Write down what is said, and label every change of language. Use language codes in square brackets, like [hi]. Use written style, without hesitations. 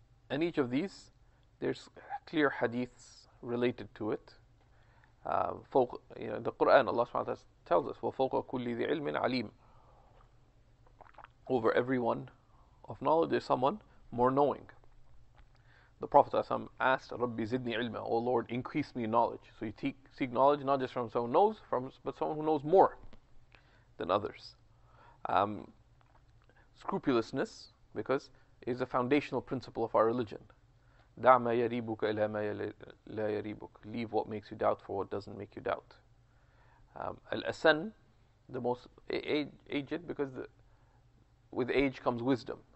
[en] And each of these, there's clear hadiths related to it. The Quran, Allah SWT tells us, [ar] وَفَوْقَ كُلِّ ذِي عِلْمٍ عَلِيمٍ. [en] Over everyone of knowledge, there's someone more knowing. The Prophet ﷺ asked, [ar] رَبِّ زِدْنِي عِلْمًا. [en] O Lord, increase me knowledge. So you seek knowledge not just from someone who knows, but someone who knows more than others. Scrupulousness, because it's a foundational principle of our religion. [ar] دَعْمَا يَرِيبُكَ إِلَى مَا لَا يَرِيبُكَ. [en] Leave what makes you doubt for what doesn't make you doubt. Al-Asan, the most aged, because with age comes wisdom.